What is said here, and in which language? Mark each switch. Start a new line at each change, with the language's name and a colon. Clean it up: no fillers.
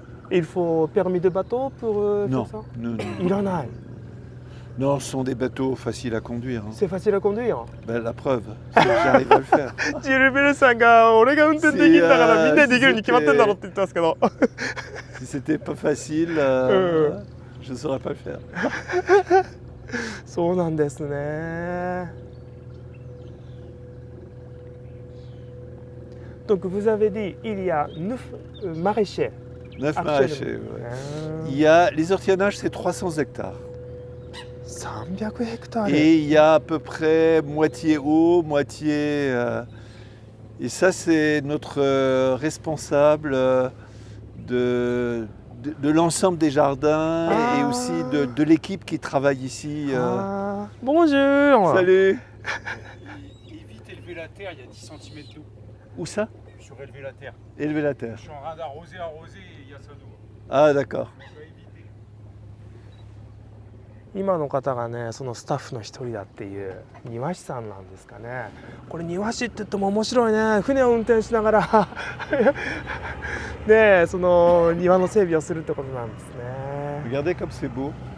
French: Il faut permis de bateau pour non. faire ça. Non. Il en a. Non, ce sont des bateaux faciles à conduire. C'est facile à conduire. Ben la preuve, j'arrive à le faire.
Japanese: ジルベルさんが俺が運転できるんだからみんなできるに決まってんだろって言ったんですけど。
French: Si c'était pas facile, je saurais pas le faire.
Japanese: そうなんですね。
French: Donc vous avez dit il y a 9 maraîchers. 9 maraîchers, oui. Il y a les hortillonnages, c'est 300 hectares. 300 hectares. Et il y a à peu près moitié eau, moitié. Et ça, c'est notre responsable de l'ensemble des jardins ah. et aussi de l'équipe qui travaille ici. Ah. Bonjour. Salut. Évite élever la terre, il y a 10 cm d'eau. Où ça? Sur élever la terre. Élever la terre. Je suis en train d'arroser, arroser, il y a ça d'eau. Ah, d'accord. Donc, je vais éviter.
Japanese: 今の方がね、そのスタッフの一人だっていう庭師さんなんですかね。これ庭師って言っても面白いね。船を運転しながらね、その庭の整備をするってことなんですね。
French: Regardez comme c'est beau。